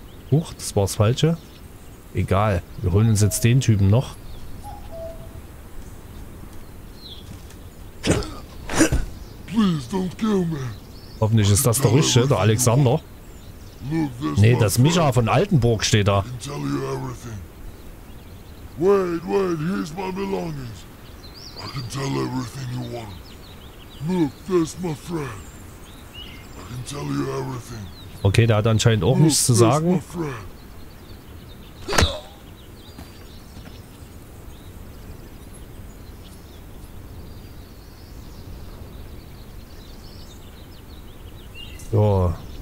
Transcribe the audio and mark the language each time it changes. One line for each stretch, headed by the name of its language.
German: Huch, das war das Falsche. Egal. Wir holen uns jetzt den Typen noch.
English: Please don't kill me.
German: Hoffentlich ist das der Richtige, der Alexander. Nee, das Micha von Altenburg steht da.
English: Wait, wait, here's my belongings. I can tell everything you want. Look, there's my friend. I can tell you everything.
German: Okay, der hat anscheinend auch nichts zu sagen. So.